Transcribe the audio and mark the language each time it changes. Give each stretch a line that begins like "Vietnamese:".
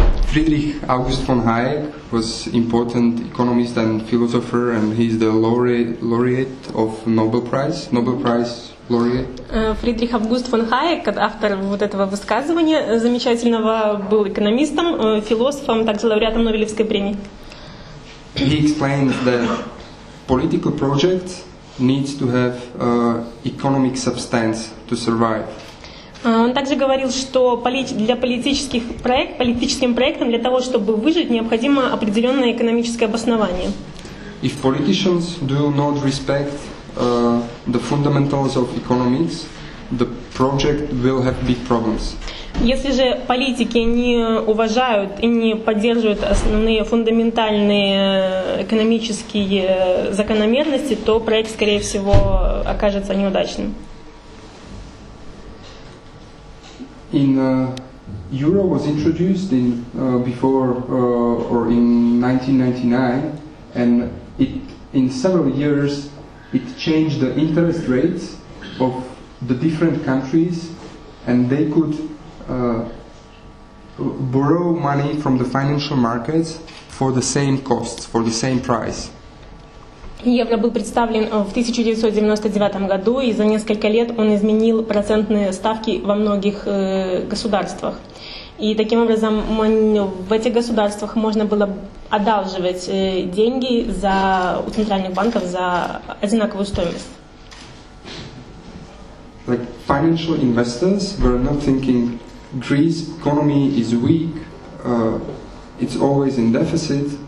English: Friedrich August von Hayek was important economist and philosopher, and he's the laureate of Nobel Prize laureate.
Russian: Фридрих Август фон Хайек, автор вот этого высказывания замечательного, был экономистом, философом, также лауреатом Нобелевской премии.
English: He explains that political projects need to have economic substance to survive.
Russian: Он также говорил, что политическим проектам для того, чтобы выжить, необходимо определенное экономическое обоснование.
English: If politicians do not respect the fundamentals of economics, the project will have big problems.
Russian: Если же политики не уважают и не поддерживают основные фундаментальные экономические закономерности, то проект, скорее всего, окажется неудачным.
English: In Euro was introduced in before or in 1999, and it in several years it changed the interest rates of the different countries, and they could borrow money from the financial markets for the same costs, for the same price.
Russian: Евро был представлен в 1999 году, и за несколько лет он изменил процентные ставки во многих государствах. И таким образом в этих государствах можно было одалживать деньги за у центральных банков за одинаковую стоимость.
English: Like financial investors were not thinking Greece economy is weak, it's always in deficit.